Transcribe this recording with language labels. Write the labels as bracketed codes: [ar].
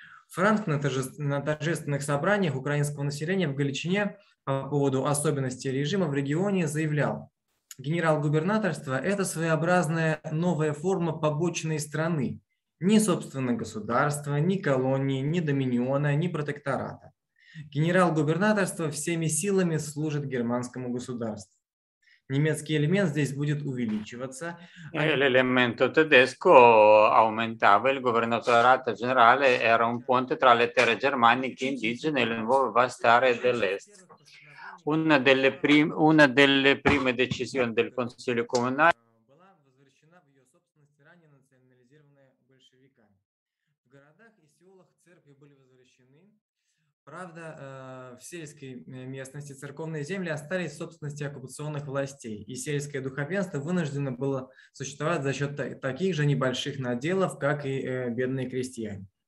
[ru] Франк на торжественных собраниях украинского населения в Галичине по поводу особенностей режима в регионе заявлял: генерал-губернаторство – это своеобразная новая форма побочной страны. Ни собственно государства, ни колонии, ни доминиона, ни протектората. Генерал-губернаторство всеми силами служит германскому государству. Немецкий элемент здесь будет увеличиваться. [it] L'elemento tedesco aumentava, il governatorato generale era un ponte tra le terre germaniche indigene e le nuove vastare dell'est. Una delle prime decisioni del Consiglio Comunale [ru] была возвращена в ее собственности, ранее национализированная большевиками. В городах и селах церкви были возвращены. Правда, в сельской местности церковные земли остались в собственности оккупационных властей, и сельское духовенство вынуждено было существовать за счет таких же небольших наделов, как и бедные крестьяне.